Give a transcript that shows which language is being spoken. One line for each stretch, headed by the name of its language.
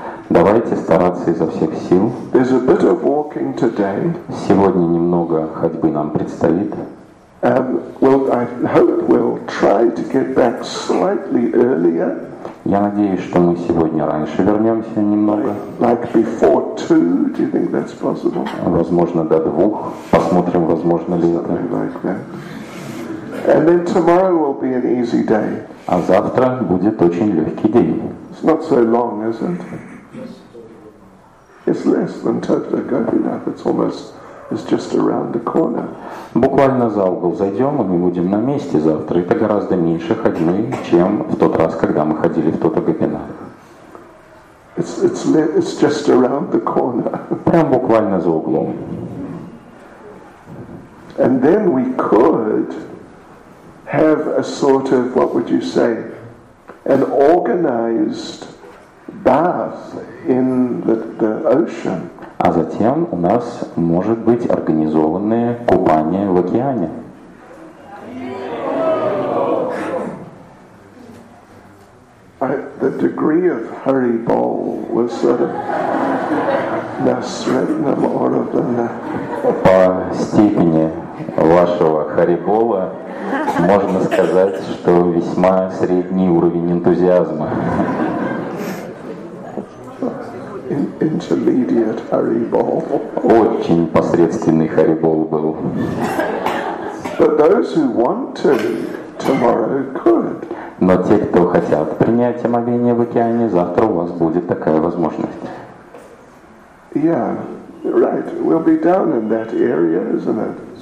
Russian: Давайте стараться изо всех сил.
English: There's a bit of walking today.
Russian: Сегодня немного ходьбы нам предстоит.
English: I hope we'll try to get back slightly earlier.
Russian: Я надеюсь, что мы сегодня раньше вернемся немного.
English: Like before two, do you think that's possible?
Russian: Возможно, до двух. Посмотрим, возможно ли это.
English: Like that. And then tomorrow will be an easy day.
Russian: А завтра будет очень легкий день.
English: It's not so long, is it? It's less than Tota Gopinath. It's almost. It's just around the corner.
Russian: Буквально за угол зайдем, и мы будем на месте завтра. Это гораздо меньше ходьбы, чем в тот раз, когда мы ходили в Тота Гопинат.
English: It's just around the corner.
Russian: Прям буквально за углом.
English: And then we could have a sort of, what would you say, an organized bath in the ocean.
Russian: А затем у нас может быть организованное купание в океане.
English: The degree of Hari Bol was sort of Nasrana Aurobindo.
Russian: По степени вашего Хари Бола можно сказать, что весьма средний уровень энтузиазма.
English: Intermediate Hari Bol.
Russian: Очень посредственный Хари Бол был.
English: But those who want to tomorrow could.
Russian: Но те, кто хотят принять омовение в океане, завтра у вас будет такая возможность.
English: Yeah, right. We'll be down in that area, isn't it?